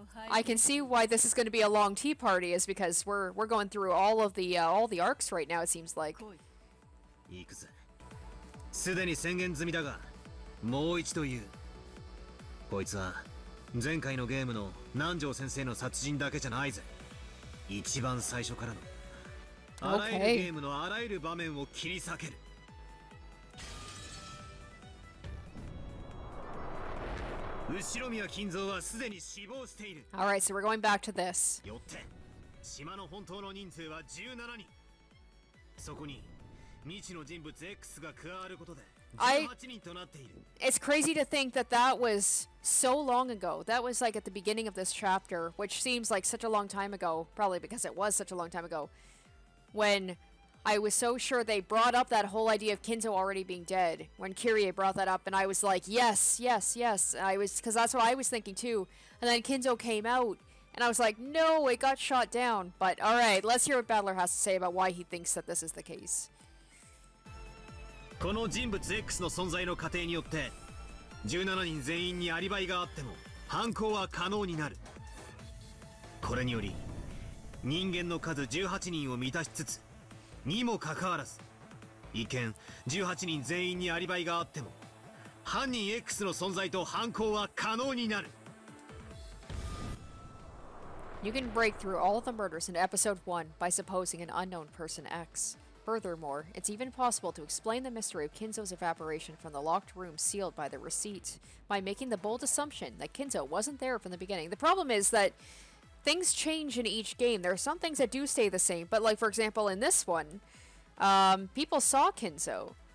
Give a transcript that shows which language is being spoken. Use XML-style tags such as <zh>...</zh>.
<en>I can see why this is going to be a long tea party, is because we're going through all the arcs right now, it seems like.</en> <ja>すでに宣言済みだが、もう一度言う。こいつは前回のゲームの南條先生の殺人だけじゃないぜ。一番最初からの、あらゆるゲームのあらゆる場面を切り裂ける。後ろ宮金蔵はすでに死亡している。</ja> <en>All right, so we're going back to this.</en> <ja>よって島の本当の人数は17人。そこに未知の人物 X が加わることで18人となっている。</ja> <en>It's crazy to think that that was so long ago. That was like at the beginning of this chapter, which seems like such a long time ago, probably because it was such a long time ago, when I was so sure they brought up that whole idea of Kinzo already being dead when Kirie brought that up, and I was like, yes, yes, yes. I was, because that's what I was thinking too. And then Kinzo came out, and I was like, no, it got shot down. But all right, let's hear what Battler has to say about why he thinks that this is the case.</en> <ja>この人物 X の存在の過程によって、17人全員にアリバイがあっても犯行は可能になる。これにより、人間の数18人を満たしつつ。にもかかわらず、一見18人全員にアリバイがあっても犯人 X の存在と犯行は可能になる。</ja> <en>You can break through all the murders in episode 1 by supposing an unknown person X. Furthermore, it's even possible to explain the mystery of Kinzo's evaporation from the locked room sealed by the receipt by making the bold assumption that Kinzo wasn't there from the beginning. The problem is thatThings change in each game. There are some things that do stay the same, but like, for example, in this one, people saw Kinzo.</en>